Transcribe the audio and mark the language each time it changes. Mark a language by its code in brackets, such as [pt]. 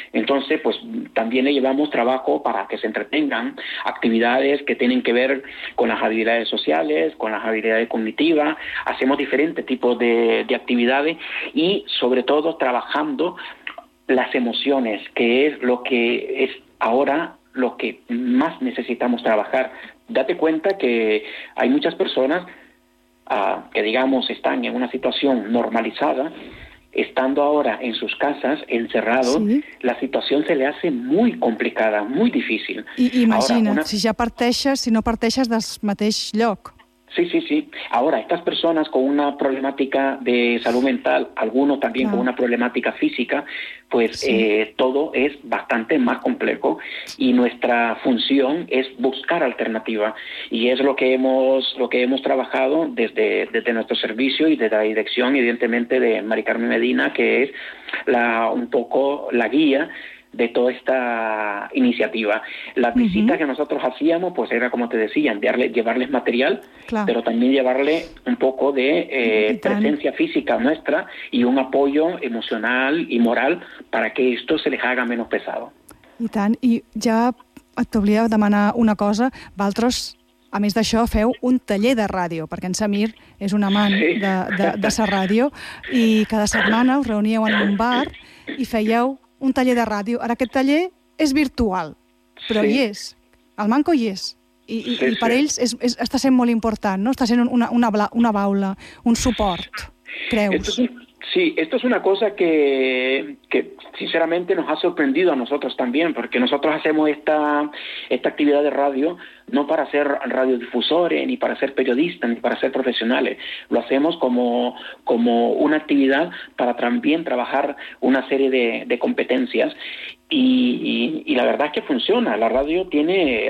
[es] Entonces, pues también le llevamos trabajo para que se entretengan, actividades que tienen que ver con las habilidades sociales, con las habilidades cognitivas, hacemos diferentes tipos de actividades y sobre todo trabajando las emociones, que es lo que es ahora lo que más necesitamos trabajar. Date cuenta que hay muchas personas que, digamos, están en una situación normalizada, estando ahora en sus casas, encerrados, sí, la situación se le hace muy complicada, muy difícil. [ca] I, imagina, ahora, si no parteixes del mateix lloc. Sí, sí, sí. [es] Ahora, estas personas con una problemática de salud mental, algunos también con una problemática física, pues sí, todo es bastante más complejo y nuestra función es buscar alternativa. Y es lo que hemos trabajado desde nuestro servicio y desde la dirección, evidentemente, de Mari Carmen Medina, que es un poco la guía de toda esta iniciativa. Las visitas que nosotros hacíamos, pues era, como te decía, llevarles material, claro, pero también llevarle un poco de presencia física nuestra y un apoyo emocional y moral para que esto se les haga menos pesado. [ca] I tant, i ja t'oblia demanar una cosa, vosaltres, a més d'això, feu un taller de ràdio, perquè en Samir és un amant de sa ràdio, i cada setmana us reuníeu en un bar i fèieu un taller de ràdio. Ara aquest taller és virtual, però hi és. El manco hi és. I per ells està sent molt important, no? Està sent una baula, un suport, creus? [es] Sí, esto es una cosa que sinceramente nos ha sorprendido a nosotros también, porque nosotros hacemos esta actividad de radio no para ser radiodifusores, ni para ser periodistas, ni para ser profesionales. Lo hacemos como una actividad para también trabajar una serie de competencias y la verdad es que funciona. La radio tiene...